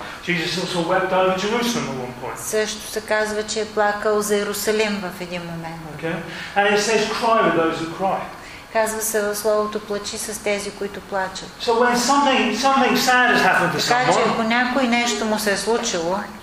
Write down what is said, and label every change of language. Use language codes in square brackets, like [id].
[en] Jesus also wept over Jerusalem at one point. [bg] Също се казва, че е плакал за Йерусалим в един момент. [en] Okay. And it says cry with those who cry. [bg] Казва се в словото плачи с тези, които плачат. [en] So when something sad has happened to someone. [bg] Значи ако някой нещо му се е случило.